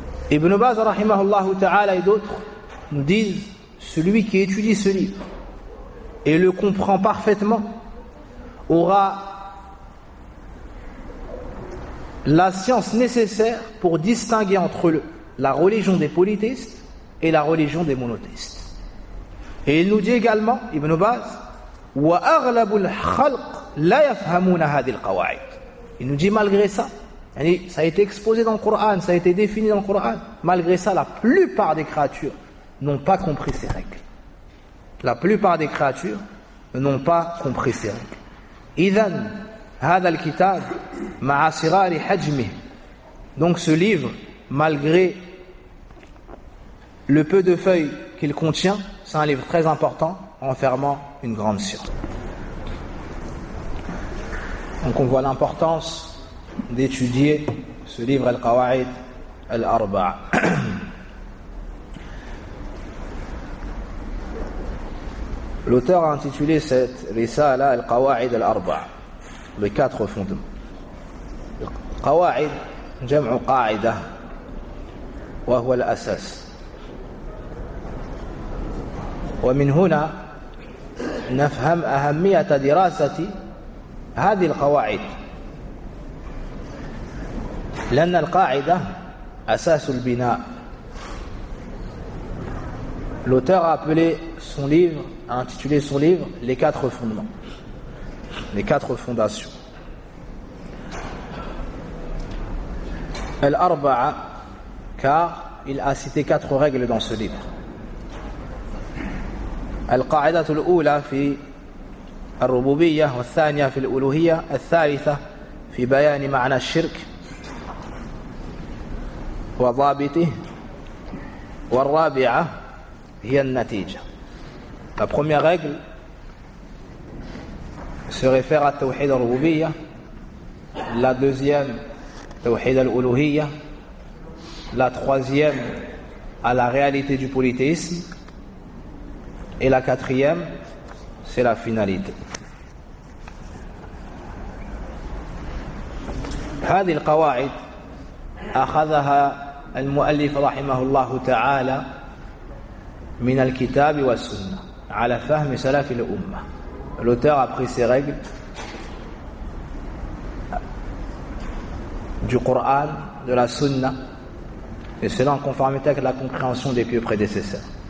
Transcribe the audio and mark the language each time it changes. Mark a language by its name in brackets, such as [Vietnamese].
[French] Ibn Baz rahimahullah ta'ala et d'autres nous disent, celui qui étudie ce livre et le comprend parfaitement aura la science nécessaire pour distinguer entre la religion des polythéistes et la religion des monothéistes. Et il nous dit également, Ibn Baz, [Arabic] وأغلب الخلق لا يفهمون هذه القواعد. [French] Il nous dit malgré ça, yani ça a été exposé dans le Coran, ça a été défini dans le Coran. Malgré ça, la plupart des créatures n'ont pas compris ces règles. La plupart des créatures n'ont pas compris ces règles. [Arabic] إذن هذا الكتاب مع صغار حجمه. [French] Donc ce livre, malgré le peu de feuilles qu'il contient, c'est un livre très important, enfermant une grande science. Donc on voit l'importance d'étudier ce livre Al-Qawa'id Al-Arba'a. L'auteur a intitulé cette Risala Al-Qawa'id Al-Arba'a, les quatre fondements. [Arabic] Qawa'id, jam'u qa'ida, wa huwa al-asas. Wa min huna نفهم أهمية دراسة هذه القواعد لأن القاعدة أساس البناء. [French] L'auteur a appelé son livre, a intitulé son livre Les quatre fondements. Les quatre fondations. [Arabic] الأربعة, [French] car il a cité quatre règles dans ce livre. [Arabic] القاعدة الأولى في الربوبية والثانية في الألوهية الثالثة في بيان معنى الشرك وضابطه والرابعة هي النتيجة. [French] La première règle se réfère à [Arabic] التوحيد الربوبية. [French] La deuxième, [Arabic] التوحيد الألوهية. [French] La troisième, à la réalité du polythéisme. Et la quatrième, c'est la finalité. [Arabic] هذه القواعد أخذها المؤلف رحمه الله تعالى من الكتاب والسنة على فهم سلف الأمة. [French] l'auteur a pris ses règles du Coran, de la Sunna, et cela en conformité avec la compréhension des pieux prédécesseurs.